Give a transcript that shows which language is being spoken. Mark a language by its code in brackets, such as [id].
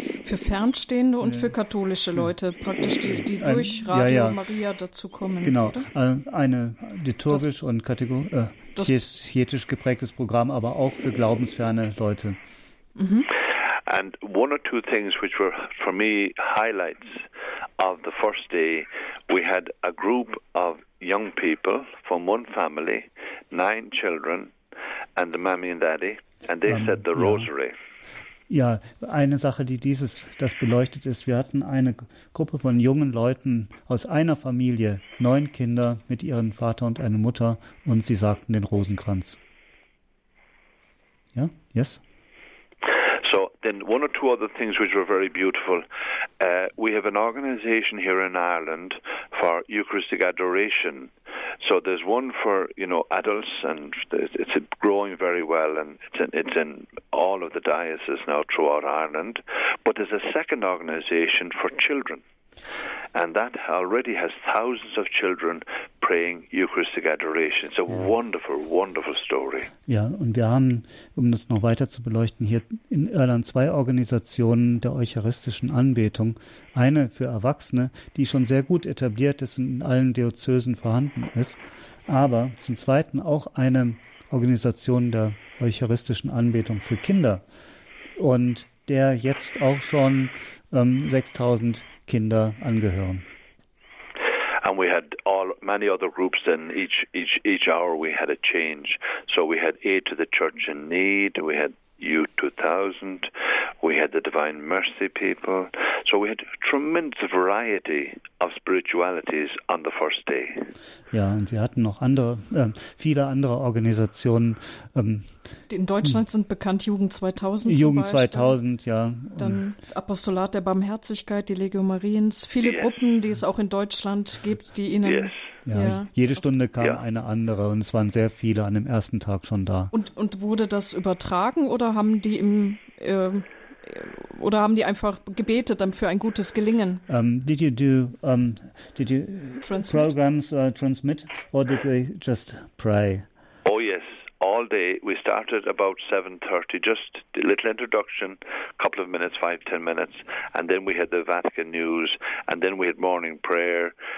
[de] Für Fernstehende und für katholische Leute praktisch, die durch Radio Maria dazu kommen. Genau, oder? Eine liturgisch und kategorisch geprägtes Programm, aber auch für glaubensferne Leute. Mhm. [en] And one or two things which were for me highlights of the first day, we had a group of young people from one family, 9 children, and the mommy and daddy, and they said the rosary. [de] Ja, eine Sache, die das beleuchtet ist, wir hatten eine Gruppe von jungen Leuten aus einer Familie, 9 Kinder mit ihrem Vater und einer Mutter, und sie sagten den Rosenkranz. Ja, yes? [en] So, then one or two other things which were very beautiful. We have an organization here in Ireland for Eucharistic adoration. So there's one for, you know, adults, and it's growing very well, and it's in all of the dioceses now throughout Ireland. But there's a second organization for children, and that already has thousands of children praying Eucharistic adoration. It's a wonderful, wonderful story. [de] Ja, und wir haben, um das noch weiter zu beleuchten, hier in Irland 2 Organisationen der eucharistischen Anbetung. Eine für Erwachsene, die schon sehr gut etabliert ist und in allen Diözesen vorhanden ist, aber zum Zweiten auch eine Organisation der eucharistischen Anbetung für Kinder, und der jetzt auch schon 6.000 Kinder angehören. [en] And we had many other groups, and each hour we had a change. So we had Aid to the Church in Need, we had U2000, we had the Divine Mercy people. So we had tremendous variety of spiritualities on the first day. [de] Ja, und wir hatten noch viele andere Organisationen. In Deutschland sind bekannt Jugend 2000, dann Apostolat der Barmherzigkeit, die Legio Mariens, viele Gruppen, die es auch in Deutschland gibt, die Ihnen... [en] Yes. [de] Ja, jede Stunde kam eine andere, und es waren sehr viele an dem ersten Tag schon da. Und wurde das übertragen, oder haben die einfach gebetet für ein gutes Gelingen? [en] Did you programs transmit, or did they just pray? Oh yes, all day. We started about 7:30, just a little introduction, couple of minutes, 5-10 minutes, and then we had the Vatican news, and then we had morning prayer.